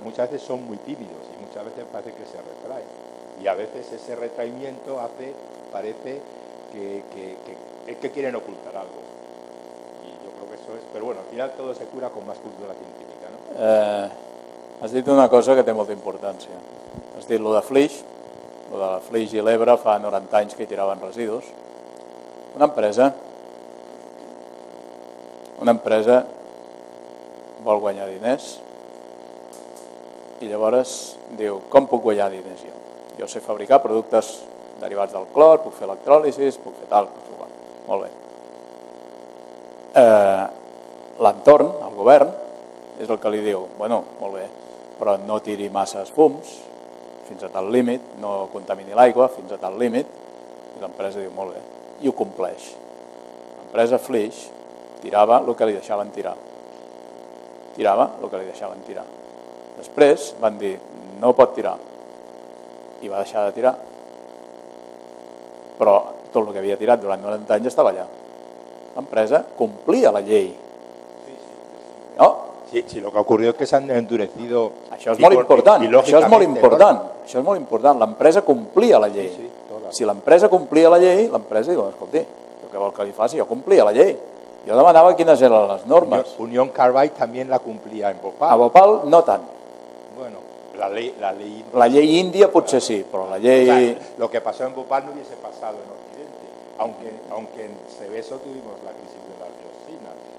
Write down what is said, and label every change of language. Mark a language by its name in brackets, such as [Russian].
[Spanish] Muchas veces son muy tímidos y muchas veces parece que se retraen. Y a veces ese retraimiento hace, parece que es que quieren ocultar algo. Y yo creo que eso es. Pero bueno, al final todo se cura con más cultura científica, ¿no? Has dicho una cosa que tiene mucha importancia. Has dicho lo de Flix. [Catalan] O de la Flix i l'Ebre fa 90 anys que hi tiraven residus. Una empresa vol guanyar diners i llavors diu, com puc guanyar diners jo? Jo sé fabricar productes derivats del clor, puc fer electròlisis, puc fer tal, puc fer. Molt bé. L'entorn, el govern, és el que li diu, bueno, molt bé, però no tiri massa fums, fins a tal límit, no contamini l'aigua fins a tal límit, i l'empresa diu molt bé, i ho compleix. L'empresa Flix tirava el que li deixaven tirar. Tirava el que li deixaven tirar. Després van dir, no pot tirar. I va deixar de tirar. Però tot el que havia tirat durant 90 anys estava allà. L'empresa complia la llei. No? [Spanish] Sí, lo que ha ocurrido es que se han endurecido. [Catalan] Això és molt important. Això és molt important. Això és molt important. L'empresa complia la llei. Si l'empresa complia la llei, l'empresa diu, escolti, jo què vol que li faci? Jo complia la llei. Jo demanava quines eren les normes. Union Carbide també la complia en Bhopal. A Bhopal no tant. Bueno, la llei... La llei índia potser sí, però la llei... [Spanish] Lo que pasó en Bhopal no hubiese pasado en Occidente. Aunque en Seveso tuvimos la crisis de la dioxina.